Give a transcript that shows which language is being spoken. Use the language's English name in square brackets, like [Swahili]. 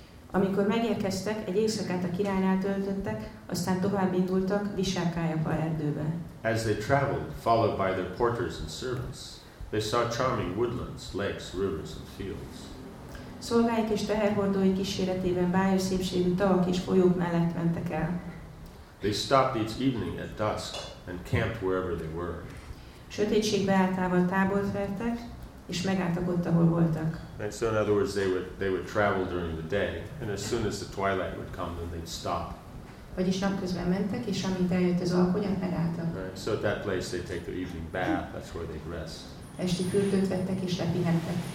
[Hungarian] Amikor megérkeztek, egy éjszakát a királynál töltöttek, aztán tovább indultak Vishakayapa erdőbe. [English] As they traveled, followed by their porters and servants, they saw charming woodlands, lakes, rivers and fields. [Hungarian] Szolgáik és teherhordói kíséretében bájos szépségű tavak és folyók mellett mentek el. [English] They stopped each evening at dusk and camped wherever they were. [Hungarian] Sötétség beálltával tábort vertek, és megálltak ott, ahol voltak. [English] And so in other words, they would travel during the day, and as soon as the twilight would come, then they'd stop. [Hungarian] Vagyis napközben mentek, és amint eljött az alkonyat, megálltak. [English] Right. So at that place they take their evening bath, that's where they'd rest. [Hungarian] Esti fürdőt vettek és lepihentek.